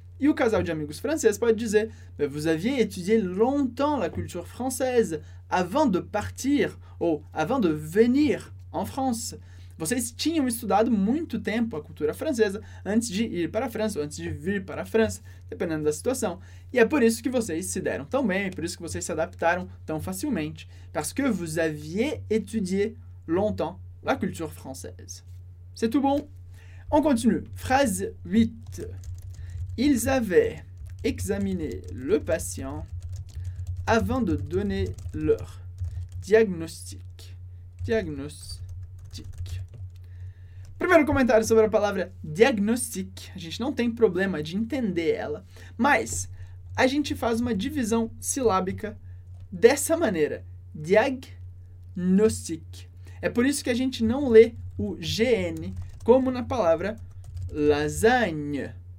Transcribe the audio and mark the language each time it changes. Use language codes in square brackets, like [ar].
[pt] E o casal de amigos franceses pode dizer, [fr] mais vous aviez étudié longtemps la culture française avant de partir, ou avant de venir en France. [pt] Vocês tinham estudado muito tempo a cultura francesa antes de ir para a França, ou antes de vir para a França, dependendo da situação. E é por isso que vocês se deram tão bem, por isso que vocês se adaptaram tão facilmente. [fr] Parce que vous aviez étudié longtemps la culture française. C'est tout bon? On continue. Phrase 8. Ils avaient examiné le patient avant de donner leur diagnostic. Diagnostic. [pt] Primeiro comentário sobre a palavra diagnostic. A gente não tem problema de entender ela, mas a gente faz uma divisão silábica dessa maneira. Diagnostic. É por isso que a gente não lê o GN como na palavra lasagne.